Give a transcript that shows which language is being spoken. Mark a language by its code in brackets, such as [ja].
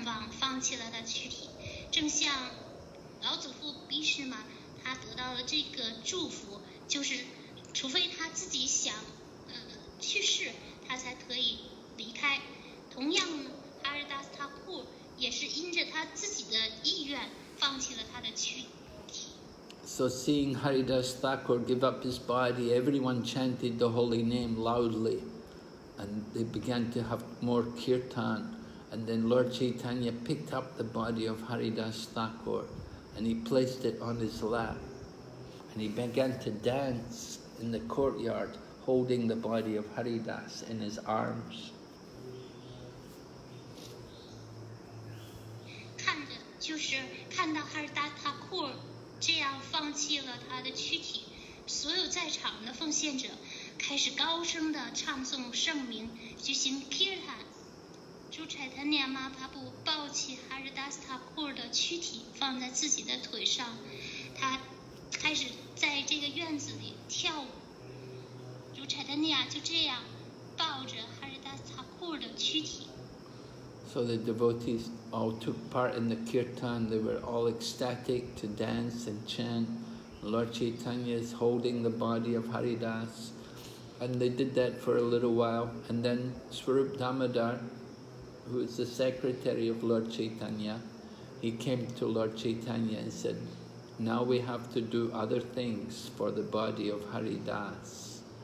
[zh] 放弃了他的躯体，正像老祖父毕士嘛，他得到了这个祝福，就是除非他自己想去世，他才可以离开。同样呢，哈尔达斯塔库也是因着他自己的意愿放弃了他的躯体。 [en] So seeing Haridas Thakur give up his body, everyone chanted the holy name loudly, and they began to have more kirtan. And then Lord Chaitanya picked up the body of Haridas Thakur and he placed it on his lap. And he began to dance in the courtyard, holding the body of Haridas in his arms. [zh] 看着就是看到 Haridas Thakur 这样放弃了他的躯体，所有在场的奉献者开始高声地唱诵圣名，举行 kirtan。朱柴塔涅玛帕布抱起哈日达斯塔库尔的躯体放在自己的腿上，他开始在这个院子里跳舞。如柴丹尼亚就这样抱着哈里达斯塔库尔的躯体。 [en] So the devotees all took part in the kirtan. They were all ecstatic to dance and chant. Lord Chaitanya is holding the body of Haridas. And they did that for a little while. And then Swarup Damodar, who is the secretary of Lord Chaitanya, he came to Lord Chaitanya and said, now we have to do other things for the body of Haridas.